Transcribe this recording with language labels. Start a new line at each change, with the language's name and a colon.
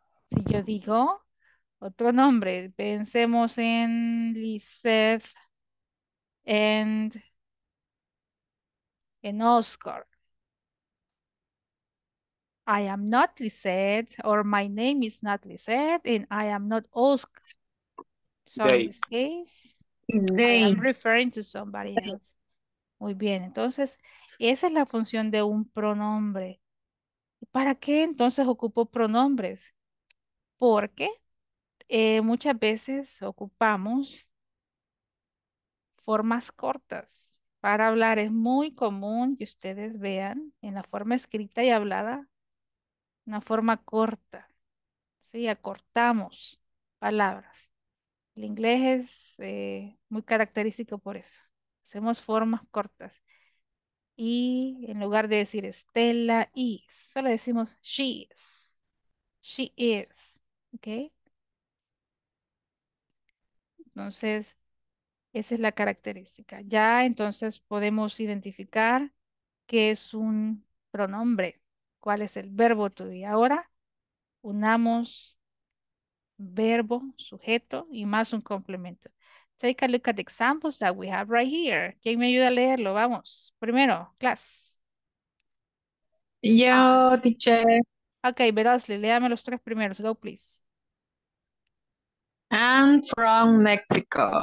Spanish: Si yo digo otro nombre, pensemos en Lizeth and en Oscar.
English: I am not Lizeth, or my name is not Lizeth, and I am not Oscar. So they. In this case, I am referring to somebody else.
Spanish: Muy bien, entonces, esa es la función de un pronombre. ¿Para qué entonces ocupo pronombres? ¿Por qué? Muchas veces ocupamos formas cortas para hablar. Es muy común que ustedes vean en la forma escrita y hablada una forma corta. Sí, acortamos palabras. El inglés es muy característico por eso. Hacemos formas cortas. Y en lugar de decir
English: Stella is,
Spanish: solo decimos
English: she is. She is. ¿Ok?
Spanish: Entonces, esa es la característica. Ya entonces podemos identificar qué es un pronombre, cuál es el verbo to be. Ahora unamos verbo, sujeto y más un complemento.
English: Take a look at the examples that we have right here.
Spanish: ¿Quién me ayuda a leerlo? Vamos. Primero, class. Yo, teacher. Okay, Verosly, léame los tres primeros.
English: Go, please. I'm from Mexico.